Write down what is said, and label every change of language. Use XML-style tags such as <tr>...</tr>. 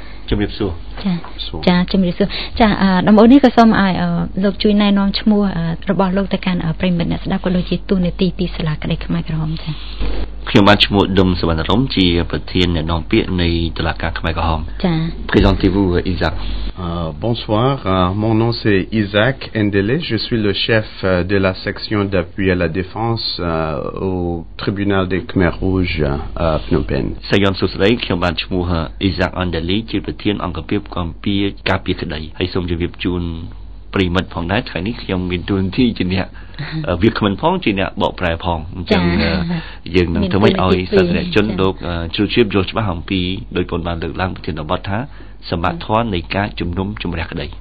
<km>ជំរាបសួរ ចាចាជំរាបសួរចាដំបូងនេះក៏សូមឲ្យលោកជួយណែនាំឈ្មោះរបស់លោកទៅកាន់ប្រិមិត្តអ្នកស្ដាប់ក៏ដូចជាទូនាទីពីសាលាក្តីខ្មែរក្រហមចា ខ្ញុំបានឈ្មោះឌុំសុវណ្ណរំជាប្រធានអ្នកនាំពាក្យនៃតុលាការខ្មែរក្រហម ចា</km> <fr>Présentez-vous Isaac Bonsoir mon nom c'est Isaac Endele je suis le chef de la section d'appui à la défense au tribunal des Khmer Rouge à Phnom Penh</fr> <km>សាយ៉ងសុស្ដីខ្ញុំបានឈ្មោះ Isaac Endele ជាប្រធានអង្គភាពកម្ពុជាការពារក្តីហើយសូមជម្រាបជូនប្រិមិត្តផងដែរថ្ងៃនេះខ្ញុំមានទូនទីជាអ្នកវាគ្មិនផងជាអ្នកបកប្រែផងអញ្ចឹងយើងនឹងធ្វើឲ្យឲ្យសាធារណជនលោកជ្រួតជ្រាបយល់ច្បាស់អំពីដោយពលបានលើកឡើងប្រធានបទថាសមត្ថភាពនៃការជំនុំជម្រះក្តី</km>